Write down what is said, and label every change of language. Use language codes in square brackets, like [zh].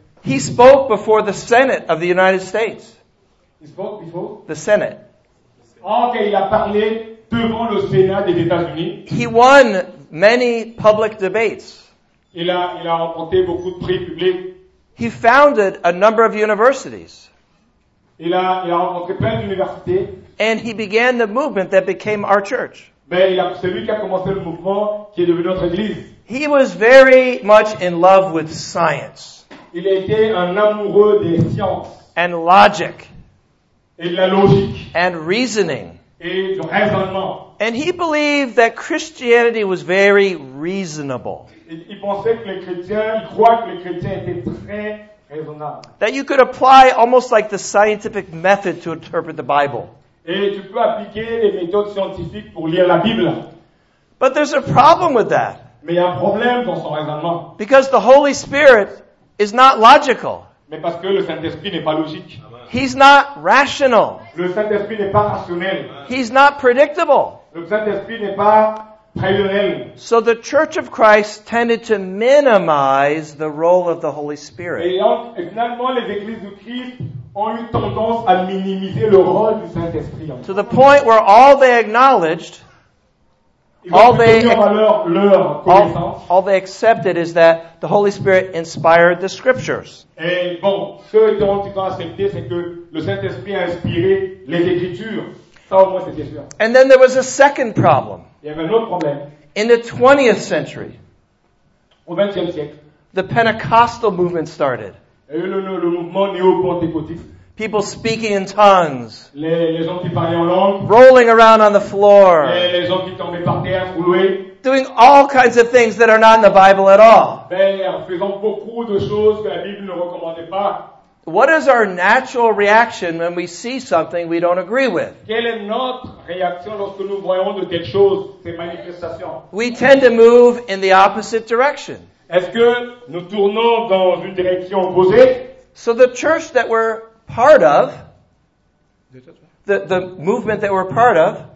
[en] He spoke before the Senate of the United States. He spoke before? The Senate. [fr] Oh, okay, il a parlé devant le Sénat des États-Unis. [en] He won many public debates. [fr] Il a remporté beaucoup de prix publics. [en] He founded a number of universities. [fr] Il a rencontré plein d'universités. [en] And he began the movement that became our church. [fr] C'est lui qui a commencé le mouvement qui est devenu notre église. [en] He was very much in love with science. [fr] Il était un amoureux des sciences. [en] And logic. [fr] Et de la logique. [en] And reasoning. [fr] Et du raisonnement. [en] And he believed that Christianity was very reasonable. [fr] Il pensait que les chrétiens, il croit que les chrétiens étaient très [en] that you could apply almost like the scientific method to interpret the Bible. [fr] Et tu peux appliquer les méthodes scientifiques pour lire la Bible. [en] But there's a problem with that. [fr] Mais il y a un problème dans son raisonnement. [en] Because the Holy Spirit is not logical. [fr] Mais parce que le Saint-Esprit n'est pas logique. [en] He's not rational. [fr] Le Saint-Esprit n'est pas rationnel. [en] He's not predictable. [fr] Le Saint-Esprit n'est pas prédictable. [en] So the Church of Christ tended to minimize the role of the Holy Spirit. [fr] Et finalement, les églises du Christ ont eu tendance à minimiser le rôle du Saint-Esprit. [en] To the point where all they acknowledged All they accepted is that the Holy Spirit inspired the Scriptures. [fr] Et bon, ce qu'ils ont accepté, c'est que le Saint-Esprit a inspiré les Écritures. Ça, au moins, c'était sûr. [en] And then there was a second problem. [fr] Il y avait un autre problème. [en] In the 20th century, [fr] au 20e siècle, [en] the Pentecostal movement started. [fr] Il y a eu le mouvement néo-pentecôtiste. [en] People speaking in tongues. [fr] Les gens qui parlaient en langue, [en] rolling around on the floor. [fr] Les gens qui tombaient par terre, roulaient, [en] doing all kinds of things that are not in the Bible at all. [fr] Faisant beaucoup de choses que la Bible ne recommandait pas. [en] What is our natural reaction when we see something we don't agree with? [fr] Quelle est notre réaction lorsque nous voyons de telles choses, ces manifestations? [en] We tend to move in the opposite direction. [fr] Est-ce que nous tournons dans une direction opposée? [en] So the church that we're part of, the movement that we're part of.